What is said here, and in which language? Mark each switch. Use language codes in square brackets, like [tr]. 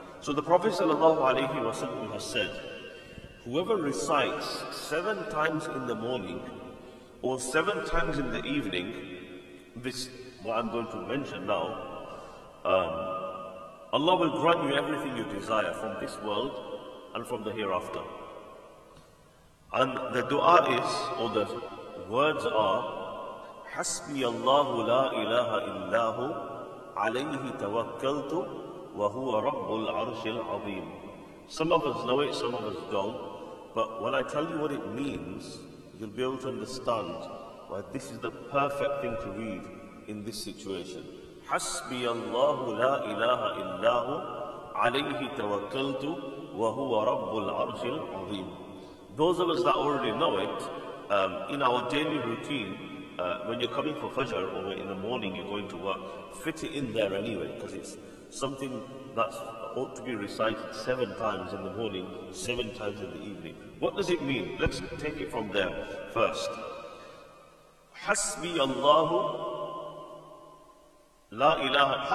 [en] So the Prophet sallallahu alayhi wa sallam has said, whoever recites 7 times in the morning or 7 times in the evening, this what I'm going to mention now, Allah will grant you everything you desire from this world and from the hereafter. And the dua is, or the words are, [ar] حسبي الله لا إله إلا هو عليه توكلت وهو رب العرش العظيم. [en] Some of us know it, some of us don't. But when I tell you what it means, you'll be able to understand why this is the perfect thing to read in this situation. [ar] حسبي الله لا إله إلا هو عليه توكلت وهو رب العرش العظيم. [en] Those of us that already know it, in our daily routine, when you're coming for Fajr or in the morning you're going to work, fit it in there anyway, because it's something that ought to be recited 7 times in the morning, 7 times in the evening. What does it mean? Let's take it from there first. Hasbi Allahu La ilaha.